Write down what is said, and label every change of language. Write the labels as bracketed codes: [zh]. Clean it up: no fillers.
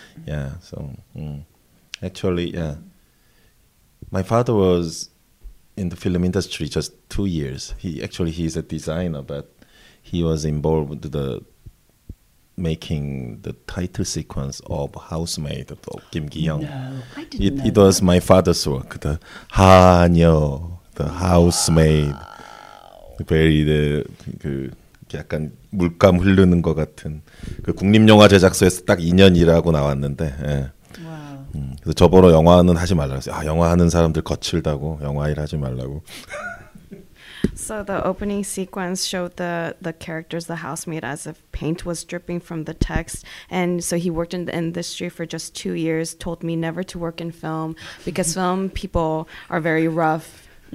[en] Yeah, so actually, my father was in the film industry just 2 years. He's a designer, but he was involved with the making the title sequence of Housemaid of Kim Ki-young. No, I didn't know it was my father's work, the Hanyo, the Housemaid. Wow. [ko] Very 그 약간 물감 흐르는 것 같은 그 국립영화 제작소에서 딱 2년 일하고 나왔는데 그래서 저번에 영화는 하지 말라고 했어요. 아 영화 하는 사람들 거칠다고 영화 일 하지 말라고. [en] So the opening sequence showed the characters, the housemaid, as if paint was dripping from the text. And so he worked in the industry for just 2 years. Told me never to work in film because film people are very rough.